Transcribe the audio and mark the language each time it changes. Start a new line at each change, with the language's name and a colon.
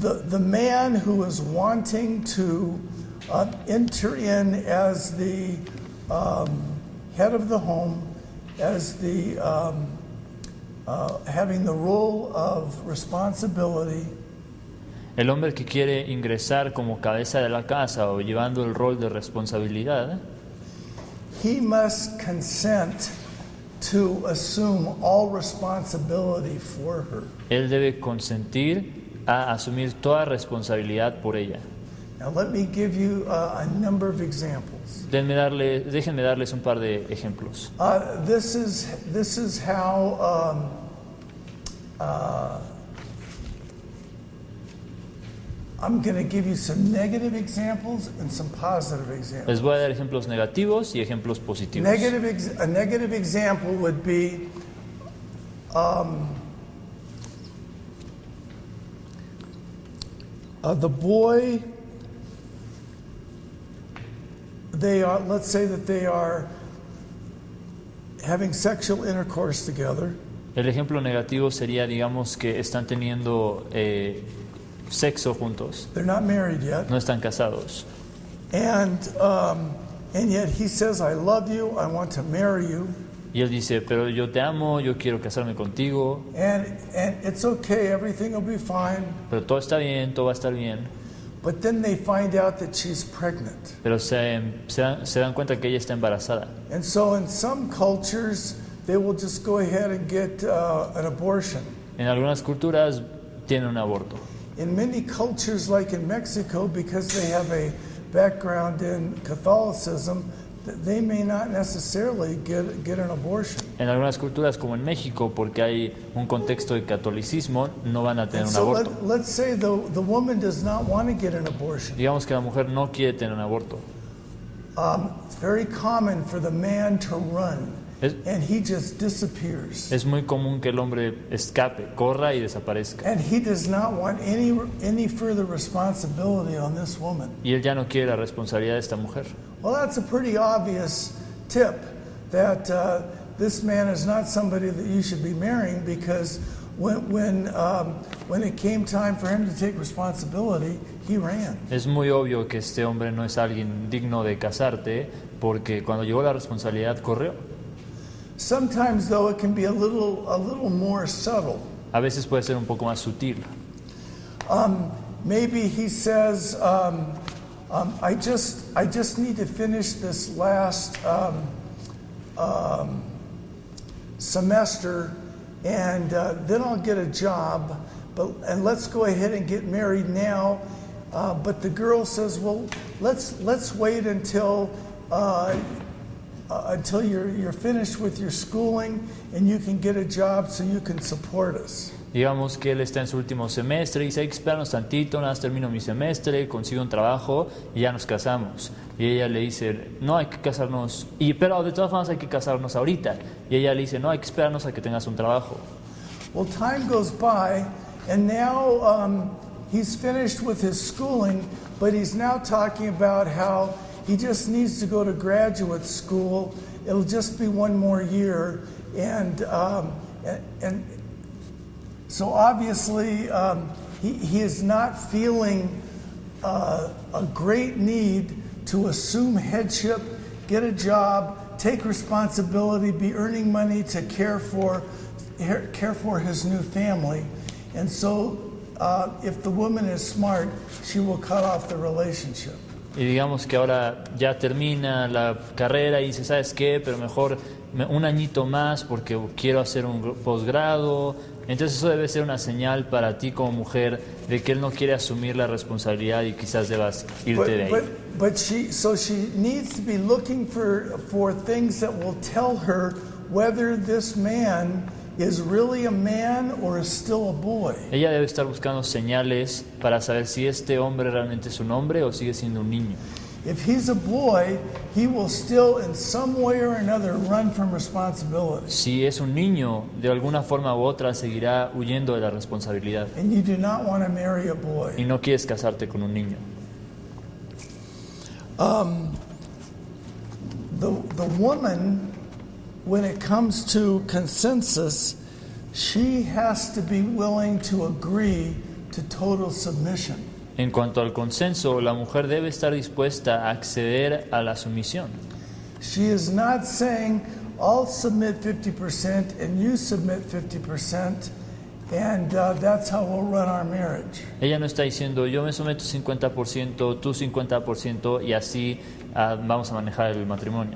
English: The man who is wanting to enter in as the head of the home, as the having the role of responsibility.
Spanish: El hombre que quiere ingresar como cabeza de la casa o llevando el rol de responsabilidad.
English: He must consent to assume all responsibility for her.
Spanish: Él debe consentir a asumir toda responsabilidad por ella.
English: Now let me give you a number of examples.
Spanish: Déjenme darles un par de ejemplos.
English: This is how I'm going to give you some negative examples and some positive examples.
Spanish: Les voy a dar ejemplos negativos y ejemplos positivos.
English: A negative example would be the boy, let's say that they are having sexual intercourse together.
Spanish: El ejemplo negativo sería, digamos, que están teniendo sexo juntos.
English: They're not married yet.
Spanish: No están casados.
English: And yet he says, I love you, I want to marry you.
Spanish: Y él dice, pero yo te amo, yo quiero casarme contigo.
English: And it's okay, everything will be fine.
Spanish: Pero todo está bien, todo va a estar bien.
English: But then they find out that she's pregnant.
Spanish: Pero se dan cuenta que ella está embarazada.
English: And so in some cultures, they will just go ahead and get an abortion.
Spanish: En algunas culturas tienen un aborto.
English: In many cultures, like in Mexico, because they have a background in Catholicism, they may not necessarily get an abortion.
Spanish: En algunas culturas, como en México, porque hay un contexto de catolicismo, no van a tener so un aborto.
English: Let's say the woman does not want to get an abortion.
Spanish: Digamos que la mujer no quiere tener un aborto.
English: It's very common for the man to run, and he just disappears.
Spanish: Es muy común que el hombre escape, corra y desaparezca.
English: And he does not want any further responsibility on this woman.
Spanish: Y él ya no quiere la responsabilidad de esta mujer.
English: Well, that's a pretty obvious tip that this man is not somebody that you should be marrying, because when it came time for him to take responsibility, he ran.
Spanish: Es muy obvio que este hombre no es alguien digno de casarte, porque cuando llegó la responsabilidad, corrió.
English: Sometimes, though, it can be a little more subtle.
Spanish: A veces puede ser un poco más sutil.
English: Maybe he says, I just need to finish this last semester, and then I'll get a job. But let's go ahead and get married now. But the girl says, well, let's wait until until you're finished with your schooling and you can get a job so you can support us.
Spanish: Digamos que él está en su último semestre y dice, hay que esperarnos tantito, nada más termino mi semestre, consigo un trabajo y ya nos casamos. Y ella le dice, no, hay que casarnos, pero de todas formas hay que casarnos ahorita. Y ella le dice, no, hay que esperarnos a que tengas un trabajo.
English: Well, time goes by and now he's finished with his schooling, but he's now talking about how he just needs to go to graduate school. It'll just be one more year, and so obviously he is not feeling a great need to assume headship, get a job, take responsibility, be earning money to care for his new family. And so if the woman is smart, she will cut off the relationship.
Spanish: Y digamos que ahora ya termina la carrera y dice, ¿sabes qué? Pero mejor un añito más porque quiero hacer un posgrado. Entonces eso debe ser una señal para ti como mujer de que él no quiere asumir la responsabilidad y quizás debas irte de ahí.
English: She needs to be looking for things that will tell her whether this man is really a man or is still a boy.
Spanish: Ella debe estar buscando señales para saber si este hombre realmente es un hombre o sigue siendo un niño.
English: If he's a boy, he will still in some way or another run from responsibility.
Spanish: Si es un niño, de alguna forma u otra seguirá huyendo de la responsabilidad.
English: And you do not want to marry a boy.
Spanish: Y no quieres casarte con un niño.
English: The woman, when it comes to consensus, she has to be willing to agree to total submission.
Spanish: En cuanto al consenso, la mujer debe estar dispuesta a acceder a la sumisión.
English: She is not saying, I'll submit 50% and you submit 50%, and that's how we'll run our marriage.
Spanish: Ella no está diciendo, yo me someto 50%, tú 50%, y así vamos a manejar el matrimonio.